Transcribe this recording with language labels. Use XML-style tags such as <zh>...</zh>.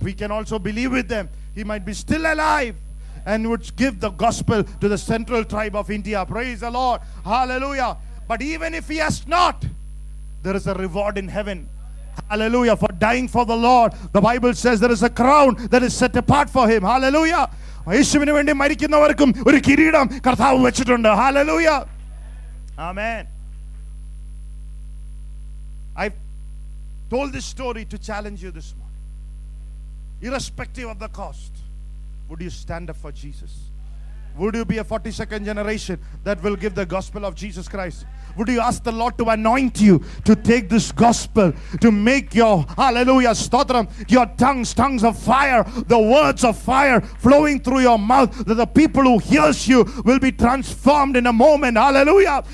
<en>We can also believe with them. He might be still alive and would give the gospel to the Central tribe of India. Praise the Lord. Hallelujah. But even if he has not, there is a reward in heaven. Hallelujah. For dying for the Lord, the Bible says there is a crown that is set apart for him. Hallelujah.</en> <ml>യേശുവിന് വേണ്ടി മരിക്കുന്നവർക്കും ഒരു കിരീടം കർത്താവ് വെച്ചിട്ടുണ്ട്. Hallelujah. Amen.</ml> <en>I told this story to challenge you this morning. Irrespective of the cost, would you stand up for Jesus? Would you be a 42nd generation that will give the gospel of Jesus Christ? Would you ask the Lord to anoint you to take this gospel, to make your, hallelujah, stotram, your tongues, tongues of fire, the words of fire flowing through your mouth, that the people who hears you will be transformed in a moment. Hallelujah.</en>